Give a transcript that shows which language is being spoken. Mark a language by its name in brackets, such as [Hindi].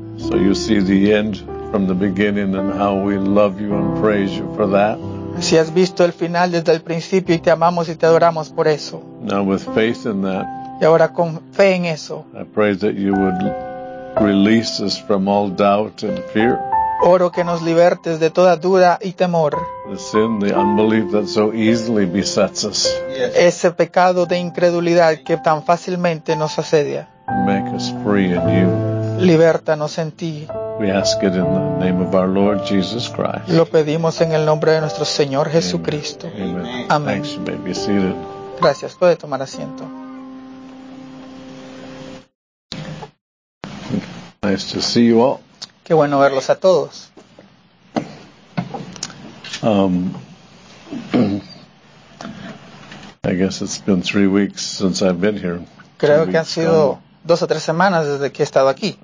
[English] So you see the end from the beginning and how we love you and praise you for that. [Spanish] Si has visto el final desde el principio y te amamos y te adoramos por eso. [English] Now with faith in that. [Spanish] Y ahora con fe en eso. [English] I pray that you would release us from all doubt and fear. [Spanish] Oro que nos libertes de toda duda y temor. [English] The sin, the unbelief that so easily besets us. Yes. [Spanish] Ese pecado de incredulidad que tan fácilmente nos asedia. [English] Make us free in you. [Spanish] Libertanos en ti. [English] We ask it in the name of our Lord Jesus Christ. [Spanish] Lo pedimos en el nombre de nuestro Señor Jesucristo. [English] Amen. Amen. Thanks, you may be seated. [Spanish] Gracias, puede tomar asiento. [English] Nice to see you all. [Spanish] Qué bueno verlos a todos. [English] I guess it's been 3 weeks since I've been here. [Spanish] Creo que han sido dos o tres semanas desde que he estado aquí.